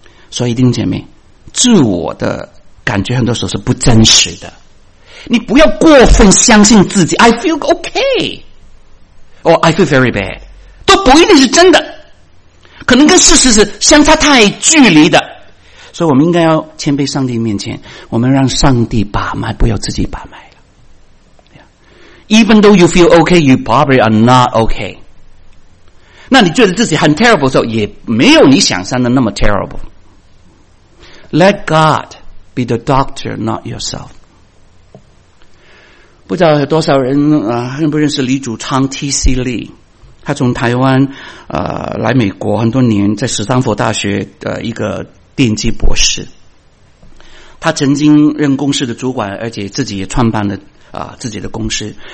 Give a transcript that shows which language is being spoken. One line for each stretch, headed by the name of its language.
Chinese: 所以弟兄姐妹，自我的感觉很多时候是不真实的，你不要过分相信自己
English: I feel OK or I feel very bad，
Chinese: 都不一定是真的，可能跟事实是相差太距离的。所以我们应该要谦卑上帝面前，我们让上帝把脉，不要自己把脉了。
English: Yeah. Even though you feel okay, you probably are not okay.
Chinese: 那你觉得自己很 terrible 的时候，也没有你想象的那么 terrible.
English: Let God be the doctor, not yourself.
Chinese: 不知道有多少人啊，认不认识李祖昌 T.C. Lee？他从台湾来美国很多年，在斯坦福大学的一个电机博士。他曾经任公司的主管，而且自己也创办了自己的公司。